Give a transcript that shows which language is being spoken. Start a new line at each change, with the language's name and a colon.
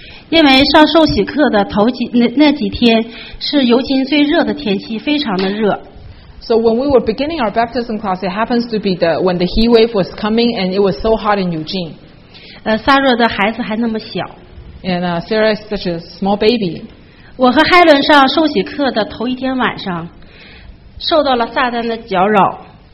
Chinese: 因为上受洗课的头几 那几天是尤其最热的天气，非常的热。
English: So when we were beginning our baptism class, it happens to be the when the heat wave was coming, and it was so hot in Eugene.
Chinese: Sarah 的孩子还那么小。
English: And Sarah is such a small baby.
Chinese: 我和海伦上受洗课的头一天晚上，受到了撒旦的搅扰。